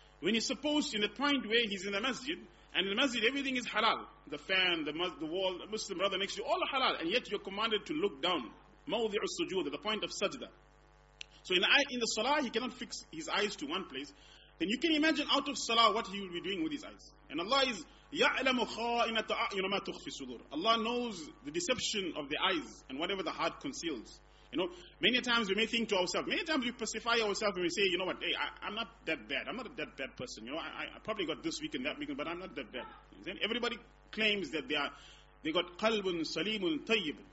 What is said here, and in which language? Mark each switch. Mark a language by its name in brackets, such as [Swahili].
[English] When he's supposed, in the point where he's in the masjid, and in the masjid, everything is halal. The fan, the wall, the Muslim brother next to you, all are halal. And yet you're commanded to look down. Mawdi'u sujood, the point of sajda. So in the salah, he cannot fix his eyes to one place. Then you can imagine out of salah what he will be doing with his eyes. And Allah is, [Arabic] يَعْلَمُ خَائِنَةَ أَعْيُنَ مَا تُخْفِي الصُّدُورِ. [English] Allah knows the deception of the eyes and whatever the heart conceals. You know, many times we may think to ourselves, many times we pacify ourselves and we say, you know what, hey, I'm not that bad. I'm not that bad person. You know, I probably got this week and that week, but I'm not that bad. Everybody claims that they got qalbun salimun tayyib.